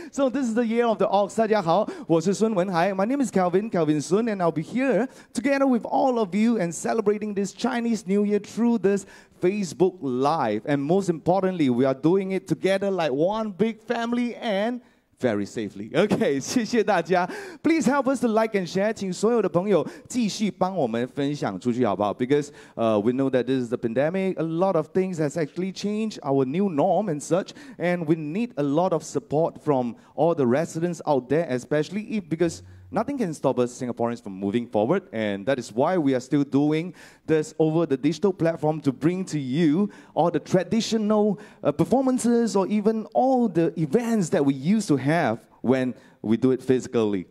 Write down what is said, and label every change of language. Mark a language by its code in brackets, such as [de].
[en] So this is the year of the ox. [zh] 大家好, 我是孙文海, [en] my name is Kelvin, Kelvin Sun, and I'll be here together with all of you and celebrating this Chinese New Year through this Facebook Live. And most importantly, we are doing it together like one big family and very safely. Okay, [zh] 谢谢大家. [en] Please help us to like and share. [zh] 请所有的朋友继续帮我们分享出去好不好? [en] Because we know that this is the pandemic. A lot of things has actually changed our new norm and such. And we need a lot of support from all the residents out there, especially if, because nothing can stop us Singaporeans from moving forward, and that is why we are still doing this over the digital platform to bring to you all the traditional performances or even all the events that we used to have when we do it physically.